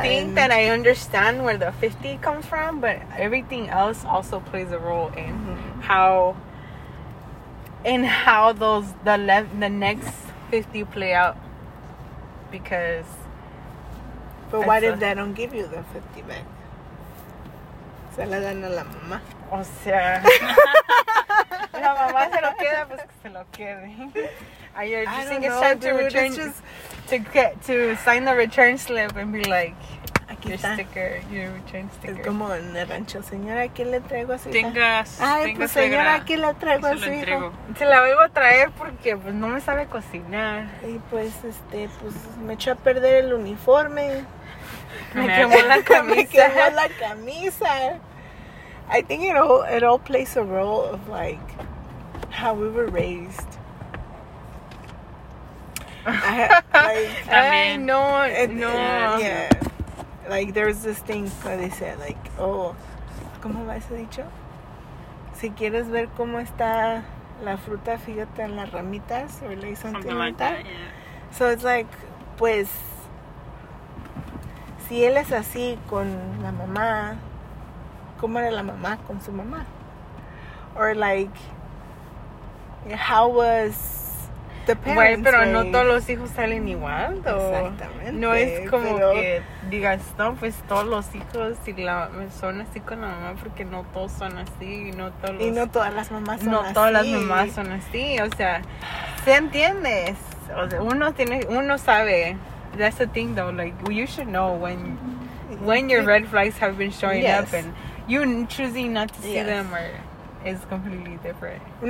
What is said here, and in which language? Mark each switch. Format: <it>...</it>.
<en>I think that I understand where the 50 comes from, but everything else also plays a role in how those the next 50 play out. Because. But what if they don't give you the 50 back?</en> <es>Se la dan a la mamá. O sea. La mamá se lo queda, pues que se lo quede.</es> <en>I think it's time to sign the return slip and be like,</en> <es>aquí</es> <en>your</en> <es>está.</es> <en>Sticker, your return sticker.</en> <es>Es como en el rancho, señora, ¿qué le traigo a su hija? Tengas, ay, tengas pues señora, ¿qué le traigo a su hija? Se la voy a traer porque pues no me sabe cocinar. Y pues, pues me echó a perder el uniforme. Me quemó la camisa. Me quemó la camisa.</es> <en>I think it all plays a role of like how we were raised. Like there's this thing that they said, like, oh,</en> <es>¿cómo va ese dicho? Si quieres ver cómo está la fruta, fíjate en las ramitas,</es> <en>or like something like that. So it's like,</en> <es>pues, si él es así con la mamá, ¿cómo era la mamá con su mamá?</es> <en>Or like, how was the parents?</en> <es>Güey, pero no todos los hijos salen igual, ¿o? Exactamente. No es como que digas, no, pues todos los hijos y la, son así con la mamá, porque no todos son así. Y no, todos los, y no todas las mamás son no así. No todas las mamás son así, o sea, ¿se entiendes? O sea, uno sabe.</es> <en>That's the thing though, like, you should know when your red flags have been showing up, and you choosing not to see them is completely different.</en>